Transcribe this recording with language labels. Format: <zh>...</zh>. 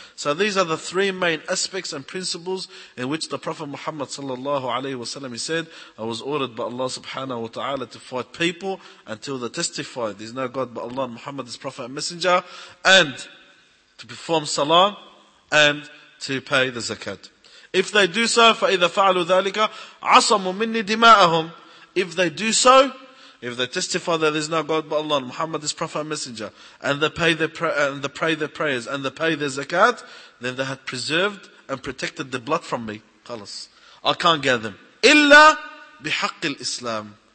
<en>So these are the three main aspects and principles in which the Prophet Muhammad sallallahu alaihi wasallam said, "I was ordered by Allah subhanahu wa taala to fight people until they testify there's no God but Allah, and Muhammad is Prophet and Messenger, and to perform salah and to pay the zakat. If they do so,</en> <ar>فَإِذَا فَعَلُوا ذَلِكَ عَصَمُوا مِنِّي دِمَاءَهُمْ."</ar> <en>If they do so, if they testify that there is no God but Allah, and Muhammad is Prophet and Messenger, and they pay their prayers, and they pay their zakat, then they had preserved and protected the blood from me.</en> <ar>خلاص.</ar> <en>I can't get them.</en> <ar>إِلَّا بِحَقِّ الْإِسْلَامِ.</ar>